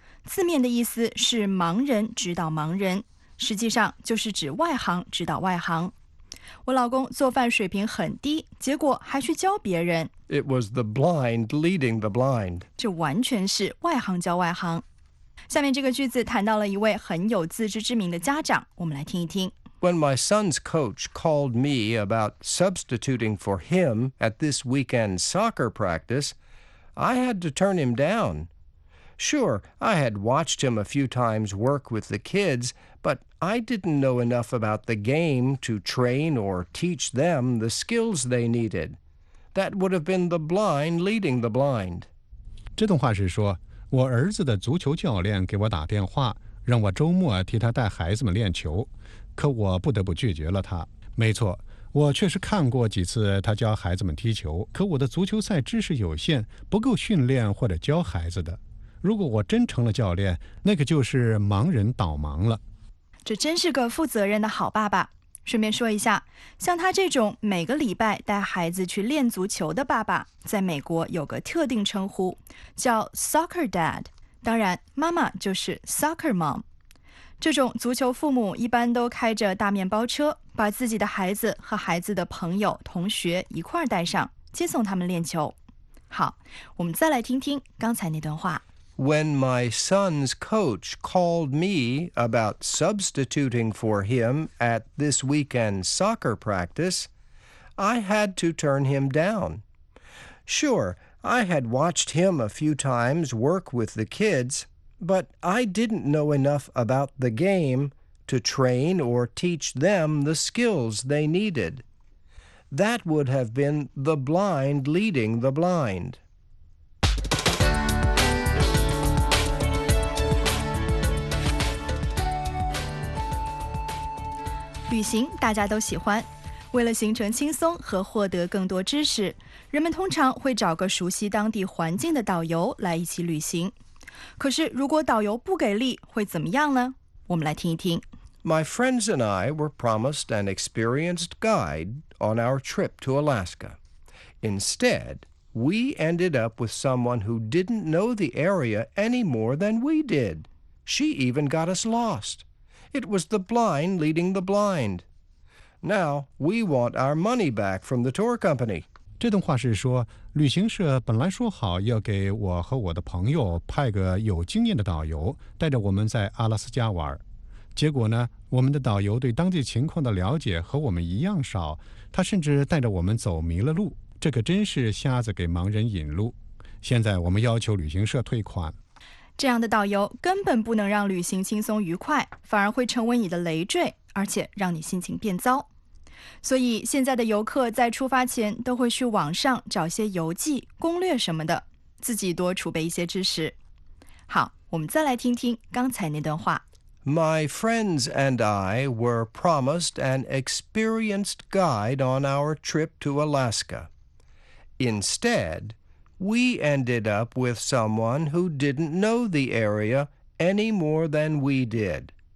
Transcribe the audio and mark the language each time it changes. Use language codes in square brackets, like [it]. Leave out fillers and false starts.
[zh] 字面的意思是盲人指导盲人，实际上就是指外行指导外行。我老公做饭水平很低，结果还去教别人。 [en] It was the blind leading the blind. [zh] 这完全是外行教外行。下面这个句子谈到了一位很有自知之明的家长，我们来听一听。 [en] When my son's coach called me about substituting for him at this weekend soccer practice, I had to turn him down. Sure, I had watched him a few times work with the kids,But I didn't know enough about the game to train or teach them the skills they needed. That would have been the blind leading the blind. [zh] 这段话是说，我儿子的足球教练给我打电话，让我周末替他带孩子们练球，可我不得不拒绝了他。没错，我确实看过几次他教孩子们踢球，可我的足球赛知识有限，不够训练或者教孩子的。如果我真成了教练，那可就是盲人导盲了。这真是个负责任的好爸爸。顺便说一下，像他这种每个礼拜带孩子去练足球的爸爸，在美国有个特定称呼，叫 soccer dad。当然妈妈就是 soccer mom。这种足球父母一般都开着大面包车，把自己的孩子和孩子的朋友、同学一块带上，接送他们练球。好，我们再来听听刚才那段话。 [en] When my son's coach called me about substituting for him at this weekend soccer practice, I had to turn him down. Sure, I had watched him a few times work with the kids,But I didn't know enough about the game to train or teach them the skills they needed. That would have been the blind leading the blind. [zh] 旅行大家都喜欢，为了行程轻松和获得更多知识，人们通常会找个熟悉当地环境的导游来一起旅行。可是如果导游不给力会怎么样呢？我们来听一听。 [en] My friends and I were promised an experienced guide on our trip to Alaska. Instead, we ended up with someone who didn't know the area any more than we did. She even got us lost. It was the blind leading the blind. Now, we want our money back from the tour company. [zh] 这段话是说，旅行社本来说好要给我和我的朋友派个有经验的导游带着我们在阿拉斯加玩，结果呢，我们的导游对当地情况的了解和我们一样少，他甚至带着我们走迷了路，这可真是瞎子给盲人引路。现在我们要求旅行社退款。这样的导游根本不能让旅行轻松愉快，反而会成为你的累赘，而且让你心情变糟。所以现在的游客在出发前都会去网上找些游记、攻略什么的，自己多储备一些知识。好，我们再来听听刚才那段话。 [en] My friends and I were promised an experienced guide on our trip to Alaska. Instead, we ended up with someone who didn't know the area any more than we did.